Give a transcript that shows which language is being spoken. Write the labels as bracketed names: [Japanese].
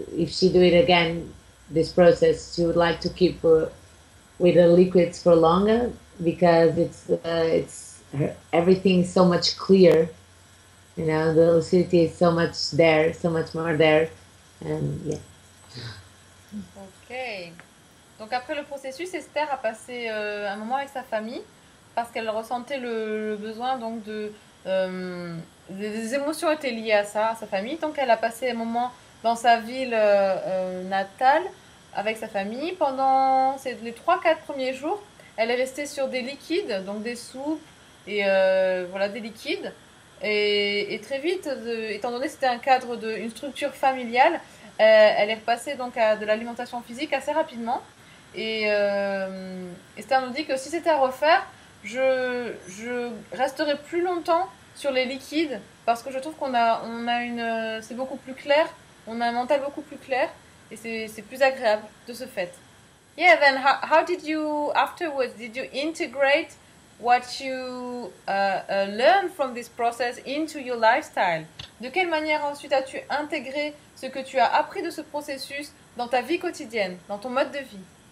[English] If she do it again, this process, she would like to keep with the liquids for longer because it's everything so much clear, you know, the lucidity is so much there, so much more there, and yeah. Okay. [French] Donc après le processus, Esther a passé un moment avec sa famille parce qu'elle ressentait le besoin, donc des émotions étaient liées à ça, à sa famille. Donc elle a passé un moment dans sa ville natale avec sa famille. Pendant les 3-4 premiers jours, elle est restée sur des liquides, donc des soupes et voilà, des liquides. Et très vite, étant donné que c'était un cadre d'une structure familiale, elle est repassée donc à de l'alimentation physique assez rapidement. Et Esther nous dit que si c'était à refaire, je resterais plus longtemps sur les liquides parce que je trouve qu'on a une, c'est beaucoup plus clair, on a un mental beaucoup plus clair et c'est plus agréable de ce fait. [English] Yeah, then how did you afterwards did you integrate what you learned from this process into your lifestyle? [French] De quelle manière ensuite as-tu intégré ce que tu as appris de ce processus dans ta vie quotidienne, dans ton mode de vie?